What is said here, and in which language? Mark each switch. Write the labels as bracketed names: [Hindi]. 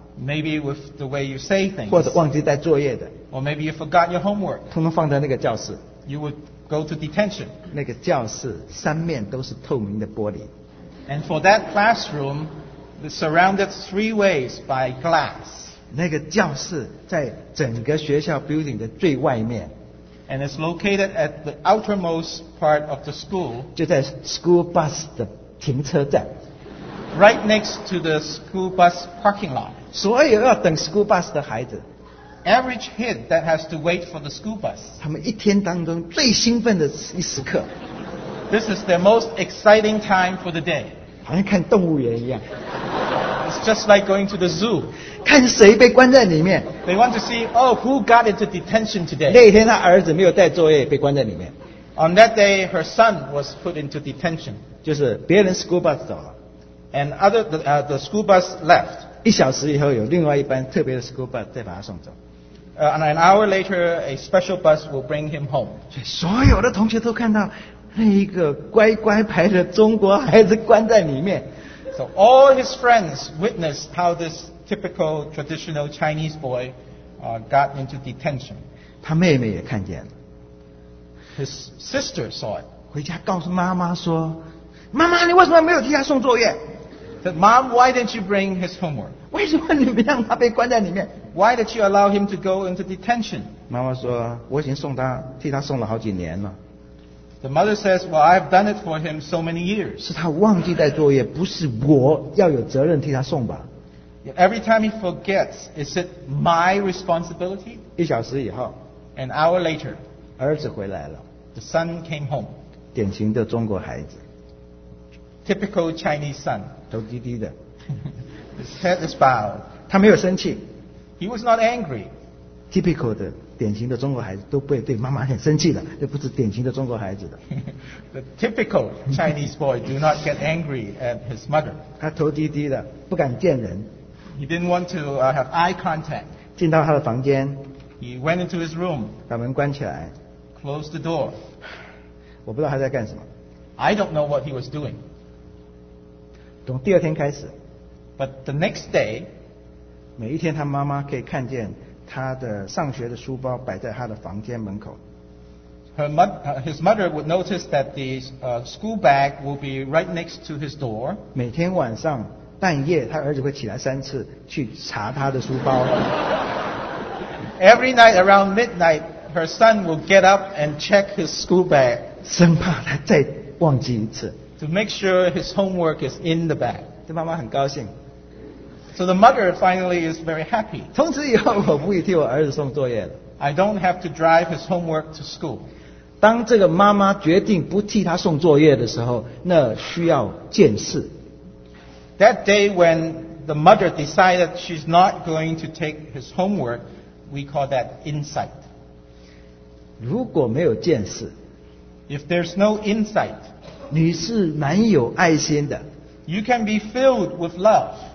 [English] Maybe with the way you say things. [Chinese] 或者忘记带作业的. [English] Or maybe you forgot your homework. [Chinese] 通通放在那个教室. [English] You would go to detention. [Chinese] 那个教室三面都是透明的玻璃. [English] And for that classroom, surrounded three ways by glass. [Chinese] 那个教室在整个学校 building的最外面. [English] And it's located at the outermost part of the school. [Chinese] 就在 school bus的停车站. [English] Right next to the school bus parking lot. [Chinese] 所有要等 school bus的孩子. [English] Every kid that has to wait for the school bus. [Chinese] 他们一天当中最兴奋的一时刻. [English] This is their most exciting time for the day. [Chinese] 好像看动物园一样. [English] It's just like going to the zoo. [Chinese] 看谁被关在里面. [English] They want to see, oh, who got into detention today. [Chinese] 那天他儿子没有带作业被关在里面. [English] On that day, her son was put into detention. [Chinese] 就是别人 school bus 走了. [English] And the school bus left. [Chinese] 一小时以后有另外一班特别的 school bus 再把他送走. [English] And an hour later, a special bus will bring him home. [Chinese] 所有的同学都看到那一个乖乖牌的中国孩子关在里面. [English] So all his friends witnessed how this typical traditional Chinese boy got into detention. [Chinese] 他妹妹也看见了. [English] His sister saw it. [Chinese] 回家告诉妈妈说，妈妈，你为什么没有替他送作业？ [English] Said, "Mom, why didn't you bring his homework? [Chinese] 为什么你不让他被关在里面? [English] Why did you allow him to go into detention?" [Chinese] 妈妈说，我已经送他，替他送了好几年了。 [English] The mother says, "Well, I've done it for him so many years." [Chinese] 是他忘记带作业，不是我要有责任替他送吧。 [English] Every time he forgets, is it my responsibility? [Chinese] 一小时以后, [English] an hour later, [Chinese] 儿子回来了, [English] the son came home. [Chinese] 典型的中国孩子, [English] typical Chinese son. [Chinese] 头低低的, [English] his head is bowed. [Chinese] 他没有生气, [English] he was not angry. [Chinese] Typical 的典型的中国孩子都不会对妈妈很生气的，这不是典型的中国孩子的。 [English] The typical Chinese boy do not get angry at his mother. [Chinese] 他头低低的，不敢见人。 [English] He didn't want to have eye contact. [Chinese] 进到他的房间, [English] he went into his room. [Chinese] 把门关起来, [English] closed the door. [Chinese] 我不知道他在干什么。 [English] I don't know what he was doing. [Chinese] 从第二天开始, [English] but the next day, [Chinese] 每一天他妈妈可以看见他的上学的书包摆在他的房间门口。 [English] His mother would notice that the school bag will be right next to his door. [Chinese] 每天晚上, 半夜他儿子会起来三次去查他的书包。 [English] Every night around midnight, her son will get up and check his school bag, [Chinese] 生怕他再忘记一次。 [English] To make sure his homework is in the bag. [Chinese] 对妈妈很高兴。 [English] So the mother finally is very happy. [Chinese] 从此以后我不会替我儿子送作业了。 [English] I don't have to drive his homework to school. [Chinese] 当这个妈妈决定不替他送作业的时候, 那需要见识。 [English] That day when the mother decided she's not going to take his homework, we call that insight. [Chinese] 如果没有见识, [English] if there's no insight, [Chinese] 你是蛮有爱心的, [English] you can be filled with love.